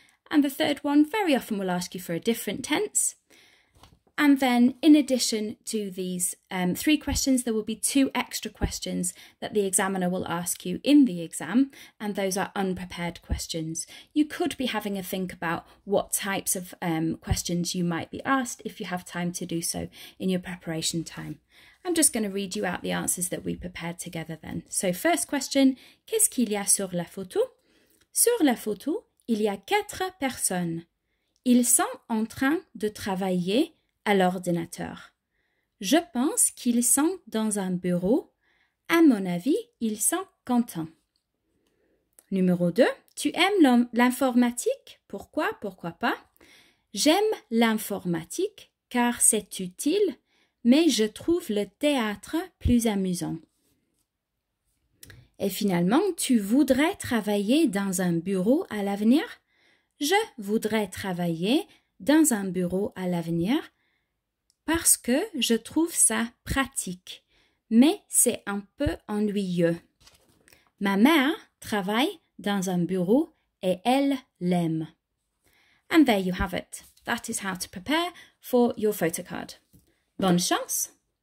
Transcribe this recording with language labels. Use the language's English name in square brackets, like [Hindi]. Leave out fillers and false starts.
[English] And the third one very often will ask you for a different tense. And then in addition to these three questions, there will be two extra questions that the examiner will ask you in the exam. And those are unprepared questions. You could be having a think about what types of questions you might be asked if you have time to do so in your preparation time. I'm just going to read you out the answers that we prepared together then. [French] So first question, qu'est-ce qu'il y a sur la photo? Sur la photo, il y a quatre personnes. Ils sont en train de travailler à l'ordinateur. Je pense qu'ils sont dans un bureau. À mon avis, ils sont contents. Numéro 2. Tu aimes l'informatique? Pourquoi? Pourquoi pas? J'aime l'informatique car c'est utile, mais je trouve le théâtre plus amusant. Et finalement, tu voudrais travailler dans un bureau à l'avenir? Je voudrais travailler dans un bureau à l'avenir parce que je trouve ça pratique, mais c'est un peu ennuyeux. Ma mère travaille dans un bureau et elle l'aime. [English] And there you have it. That is how to prepare for your photocard. [French] Bonne chance!